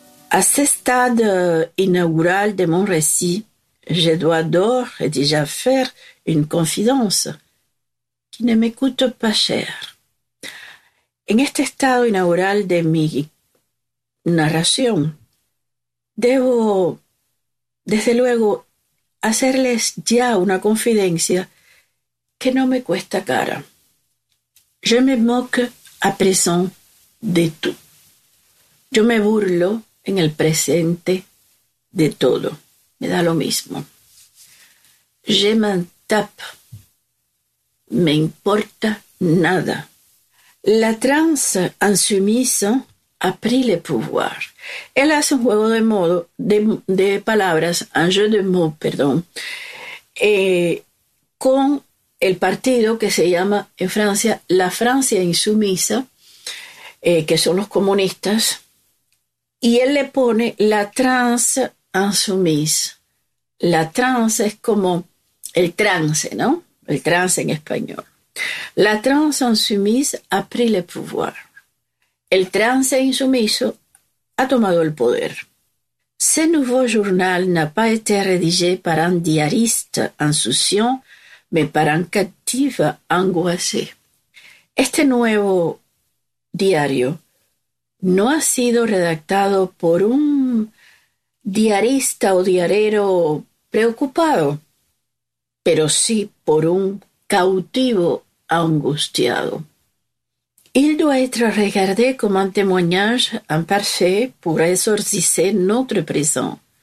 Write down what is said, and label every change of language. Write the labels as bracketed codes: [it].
[fr] A ce stade inaugural de mon récit, je dois d'ores et déjà faire une confidence qui ne me coûte pas cher. [es] En este estado inaugural de mi narración, debo, desde luego, hacerles ya una confidencia que no me cuesta cara. [fr] Je me moque à présent de tout. [es] Yo me burlo en el presente de todo. Me da lo mismo. [fr] Je m'en tape. [es] Me importa nada. [fr] La transe insoumise a pris le pouvoir. [es] Él hace un juego de modo, de palabras, [fr] un jeu de mots, [es] perdón, con el partido que se llama en Francia la Francia insumisa, que son los comunistas, y él le pone la trans insoumise. La trans es como el trance, ¿no? El trance en español. [fr] La trans insoumise a pris le pouvoir. [es] El trance insoumiso ha tomado el poder. [fr] Ce nouveau journal n'a pas été rédigé par un diariste insouciant, mais par un captif angoissé. [es] Este nuevo diario no ha sido redactado por un diarista o diarero preocupado, pero sí por un cautivo angustiado. [fr] Il doit être regardé comme un témoignage imparfait pour exorciser notre présent.